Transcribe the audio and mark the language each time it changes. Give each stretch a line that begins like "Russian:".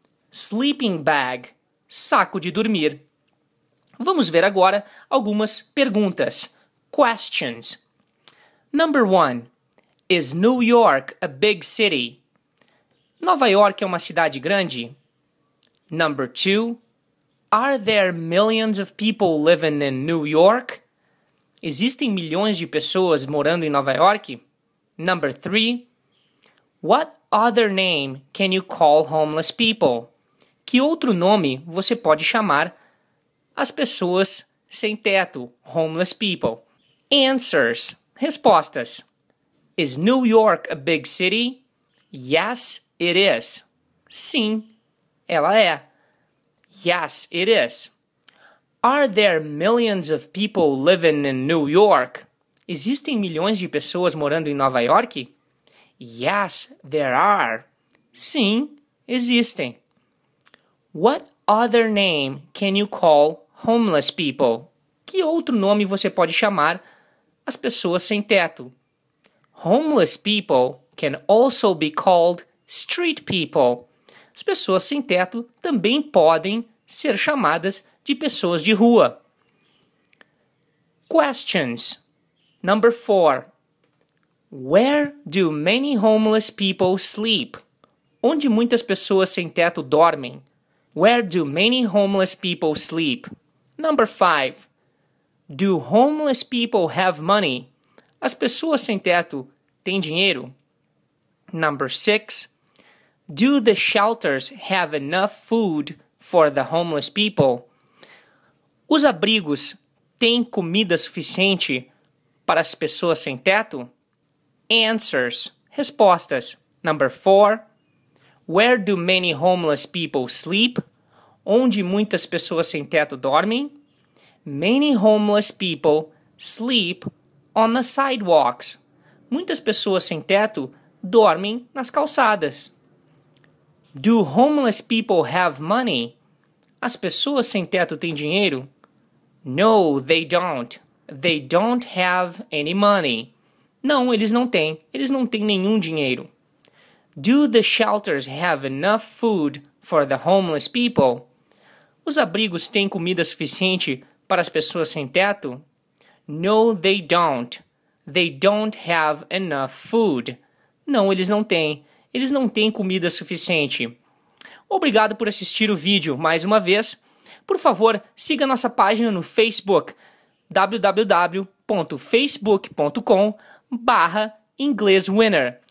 Portuguese: Sleeping bag, saco de dormir. Vamos ver agora algumas perguntas.
English: Questions. Number one. Is New York a big city?
Portuguese: Nova York é uma cidade grande?
English: Number two. Are there millions of people living in New York?
Portuguese: Existem milhões de pessoas morando em Nova York?
English: Number three. What other name can you call homeless people?
Portuguese: Que outro nome você pode chamar as pessoas sem teto, homeless people? Answers. Respostas.
English: Is New York a big city? Yes, it is.
Portuguese: Sim, ela é.
English: Yes, it is. Are there millions of people living in New York?
Portuguese: Existem milhões de pessoas morando em Nova York?
English: Yes, there are.
Portuguese: Sim, existem.
English: What other name can you call homeless people?
Portuguese: Que outro nome você pode chamar as pessoas sem teto?
English: Homeless people can also be called street people.
Portuguese: As pessoas sem teto também podem ser chamadas de pessoas de rua.
English: Questions. Number four. Where do many homeless people sleep?
Portuguese: Onde muitas pessoas sem teto dormem?
English: Where do many homeless people sleep? Number five. Do homeless people have money?
Portuguese: As pessoas sem teto têm dinheiro?
English: Number six. Do the shelters have enough food for the homeless people?
Portuguese: Os abrigos tem comida suficiente para as pessoas sem teto?
English: Answers. Respostas. Number 4. Where do many homeless people sleep?
Portuguese: Onde muitas pessoas sem teto dormem?
English: Many homeless people sleep on the sidewalks.
Portuguese: Muitas pessoas sem teto dormem nas calçadas.
English: Do homeless people have money?
Portuguese: As pessoas sem teto têm dinheiro?
English: No, they don't. They don't have any money.
Portuguese: Não, eles não têm. Eles não têm nenhum dinheiro.
English: Do the shelters have enough food for the homeless people?
Portuguese: Os abrigos têm comida suficiente para as pessoas sem teto?
English: No, they don't. They don't have enough food.
Portuguese: Não, eles não têm. Eles não têm comida suficiente. Obrigado por assistir o vídeo mais uma vez. Por favor, siga nossa página no Facebook, www.facebook.com/inglêswinner.